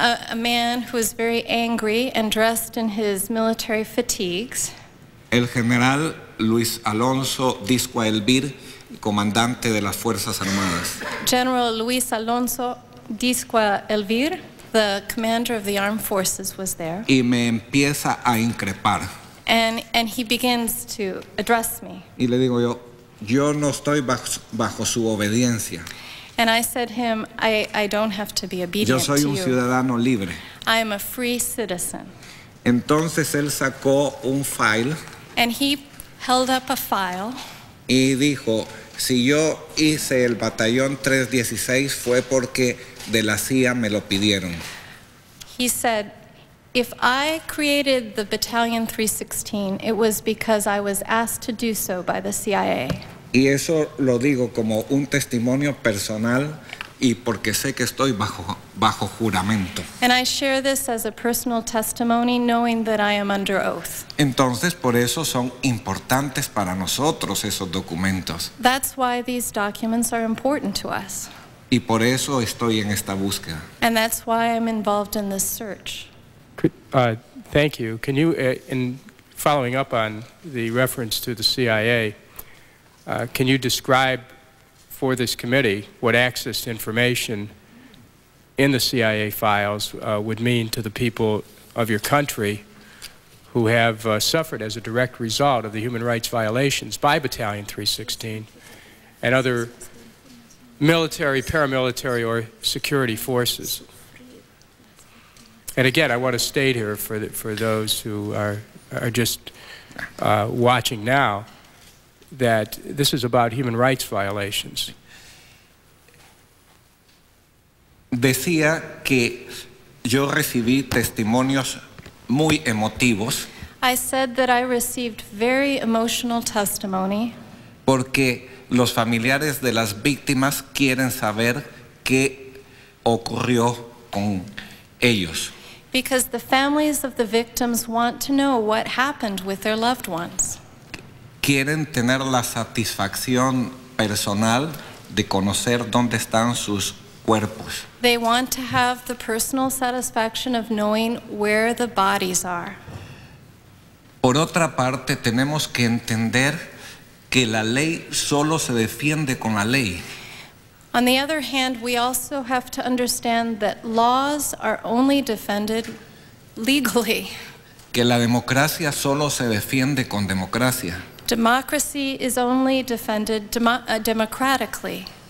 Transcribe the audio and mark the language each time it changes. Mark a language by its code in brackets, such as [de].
[en] A man who is very angry and dressed in his military fatigues. [es] El general Luis Alonso Discoa Elvir, comandante de las Fuerzas Armadas. [en] General Luis Alonso Discoa Elvir, the commander of the armed forces, was there. [es] Y me empieza a increpar. [en] And he begins to address me. [es] Y le digo yo, yo no estoy bajo su obediencia. [en] And I said to him, I don't have to be obedient to you. [es] Yo soy un ciudadano libre. [en] I am a free citizen. [es] Entonces él sacó un file. [en] And he held up a file. [es] Y dijo, si yo hice el batallón 316 fue porque de la CIA me lo pidieron. [en] He said, if I created the battalion 316, it was because I was asked to do so by the CIA. [es] Y eso lo digo como un testimonio personal y porque sé que estoy bajo juramento. [en] And I share this as a personal testimony, knowing that I am under oath. [es] Entonces, por eso son importantes para nosotros esos documentos. [en] That's why these documents are important to us. [es] Y por eso estoy en esta búsqueda. [en] And that's why I'm involved in this search. Thank you. Can you, in following up on the reference to the CIA, can you describe for this committee what access to information in the CIA files would mean to the people of your country who have suffered as a direct result of the human rights violations by Battalion 316 and other military, paramilitary, or security forces? And again, I want to state here for those who are just watching now, that this is about human rights violations. [es] Decía que yo recibí testimonios muy emotivos. [en] I said that I received very emotional testimony. [es] Porque los familiares de las víctimas quieren saber qué ocurrió con ellos. [en] Because the families of the victims want to know what happened with their loved ones. [es] Quieren tener la satisfacción personal de conocer dónde están sus cuerpos. [en] They want to have the personal satisfaction of knowing where the bodies are. [es] Por otra parte, tenemos que entender que la ley solo se defiende con la ley. [en] On the other hand, we also have to understand that laws are only defended legally. [es] Que la democracia solo se defiende con democracia. [en] Democracy is only defended democratically.